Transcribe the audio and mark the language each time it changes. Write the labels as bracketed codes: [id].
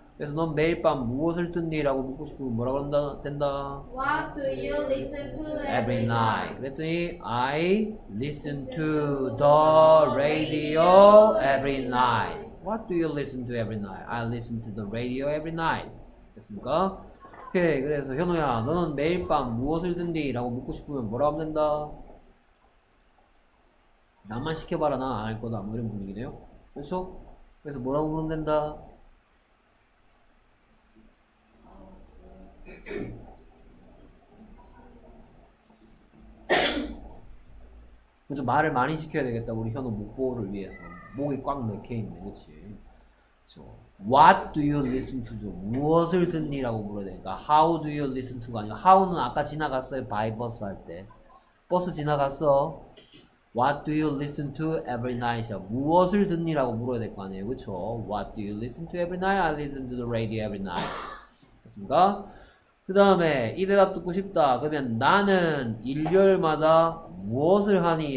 [ko] 그래서 넌 매일 밤 무엇을 듣니? 라고 묻고 싶으면 뭐라고 한다, 된다? [en] What do you listen to every night? [ko] 그랬더니 [en] I listen to the radio every night. What do you listen to every night? I listen to the radio every night. [ko] 됐습니까? 오케이. 그래서 현우야, 너는 매일 밤 무엇을 듣니? 라고 묻고 싶으면 뭐라고 하면 된다? 나만 시켜봐라. 난 안 할 거다. 뭐 이런 분위기네요. 그렇죠? 그래서 뭐라고 부르면 된다? (웃음) 그렇죠? 말을 많이 시켜야 되겠다. 우리 현우 목보호를 위해서. 목이 꽉 맥혀있네. 그렇지? 그렇죠? [en] What do you listen to? [ko] 무엇을 듣니? 라고 물어야 되니까 [en] How do you listen to? [ko] 가 아니라 How는 아까 지나갔어요. [en] By bus [ko] 할 때 버스 지나갔어. [en] What do you listen to every night? [ko] 무엇을 듣니? 라고 물어야 될 거 아니에요. 그쵸? [en] What do you listen to every night? I listen to the radio every night. [ko] 됐습니까? 그 다음에 이 대답 듣고 싶다. 그러면 나는 일요일마다 무엇을 하니?